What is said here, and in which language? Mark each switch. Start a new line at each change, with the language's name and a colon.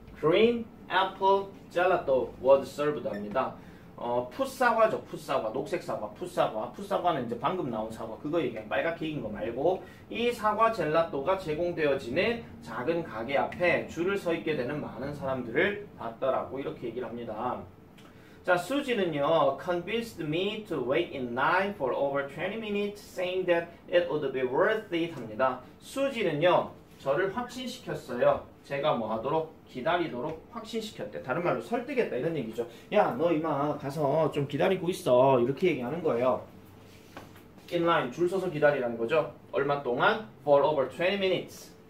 English: Green Apple Gelato was served답니다.
Korean: 풋사과죠, 풋사과. 녹색 사과, 풋사과. 풋사과는 이제 방금 나온 사과. 그거 얘기해. 빨갛게 익은 거 말고. 이 사과 젤라또가 제공되어지는 작은 가게 앞에 줄을 서 있게 되는 많은 사람들을 봤더라고. 이렇게 얘기를 합니다. 자, 수지는요,
English: convinced me to wait in line for over 20 minutes, saying that it would be worth it
Korean: 합니다. 수지는요, 저를 확신시켰어요. 제가 뭐 하도록 기다리도록 확신시켰대. 다른 말로 설득했다. 이런 얘기죠. 야, 너 이마 가서 좀 기다리고 있어. 이렇게 얘기하는 거예요.
English: In line,
Korean: 줄 서서 기다리라는 거죠. 얼마 동안?
English: For over 20 minutes.